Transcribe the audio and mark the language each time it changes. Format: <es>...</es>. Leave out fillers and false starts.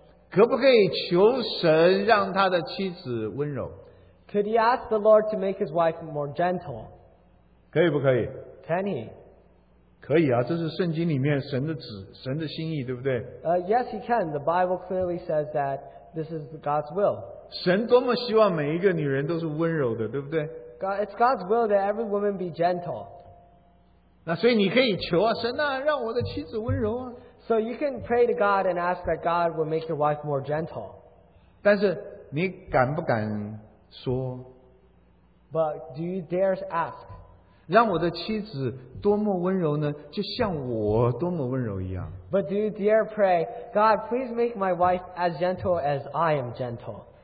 <zh>可不可以求神让他的妻子温柔?</zh> <en>Could he ask the Lord to make his wife more gentle?</en> <zh>可以不可以?</zh> <en>Can he?</en> <zh>可以啊,这是圣经里面神的旨,神的心意,对不对?</zh> <en>Yes, he can. The Bible clearly says that this is God's will.</en> <zh>神多么希望每一个女人都是温柔的,对不对?</zh> <en>It's God's will that every woman be gentle.</en> <zh>那所以你可以求啊,神啊,让我的妻子温柔啊。</zh> <en>So you can pray to God and ask that God will make your wife more gentle.</en> <zh>但是你敢不敢说?</zh> <en>But do you dare ask?</en> <zh>让我的妻子多么温柔呢? 就像我多么温柔一样。</zh> <en>But do you dare pray, God, please make my wife as gentle as I am gentle.</en>